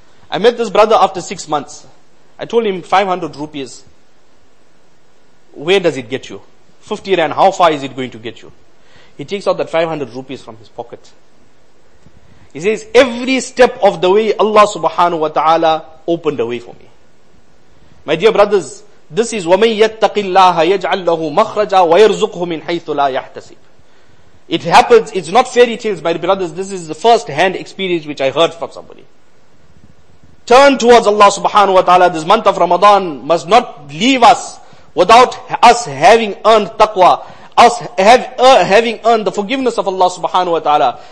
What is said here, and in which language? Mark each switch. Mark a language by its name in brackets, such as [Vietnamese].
[English] I met this brother after 6 months. I told him 500 rupees. Where does it get you? 50 rand, how far is it going to get you? He takes out that 500 rupees from his pocket. He says, every step of the way Allah subhanahu wa ta'ala opened a way for me. My dear brothers, this is [Arabic] وَمَنْ يَتَّقِ اللَّهَ يَجْعَلْ لَهُ مَخْرَجًا وَيَرْزُقْهُ مِنْ حَيْثُ لَا يَحْتَسِبْ. [English] It happens, it's not fairy tales, my brothers. This is the first hand experience which I heard from somebody. Turn towards Allah subhanahu wa ta'ala. This month of Ramadan must not leave us without us having earned taqwa, having earned the forgiveness of Allah subhanahu wa ta'ala.